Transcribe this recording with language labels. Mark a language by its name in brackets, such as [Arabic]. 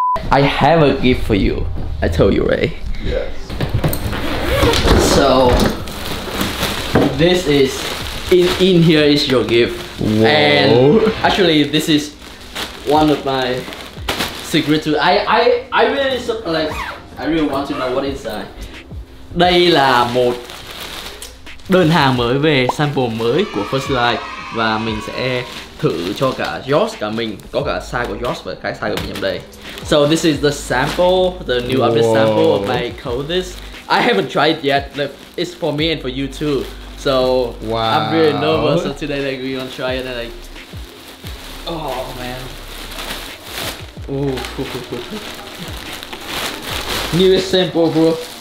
[English] I have a gift for you. I told you, Ray. Yes. So this is in here is your gift. Whoa. And actually this is one of my secrets too. I really want to know what inside. [Vietnamese] Đây là một đơn hàng mới về, sample mới của First Light, và mình sẽ thử cho cả Josh, cả mình, có cả size của Josh và cái size của mình ở đây. [English] So this is the sample, the new update sample of my clothes. I haven't tried it yet, but it's for me and for you too. So wow. I'm really nervous. So today, like, we're gonna try it, and like, oh man, ooh, newest sample, bro.